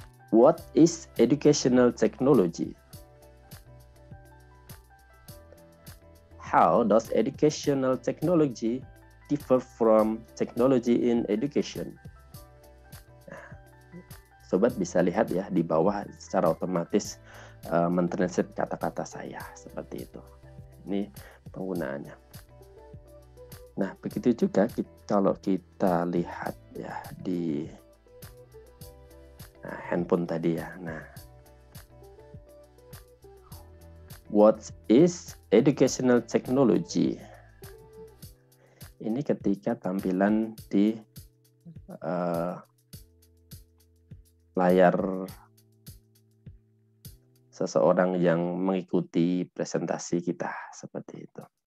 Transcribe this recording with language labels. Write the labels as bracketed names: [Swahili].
[English] What is educational technology? How does educational technology differ from technology in education? [Indonesian] Sobat bisa lihat ya di bawah secara otomatis mentranslate kata-kata saya seperti itu. Ini penggunaannya. Nah, begitu juga kita kalau kita lihat ya di handphone tadi ya. [English] Nah, what is educational technology? [Indonesian] Ini ketika tampilan di layar seseorang yang mengikuti presentasi kita seperti itu.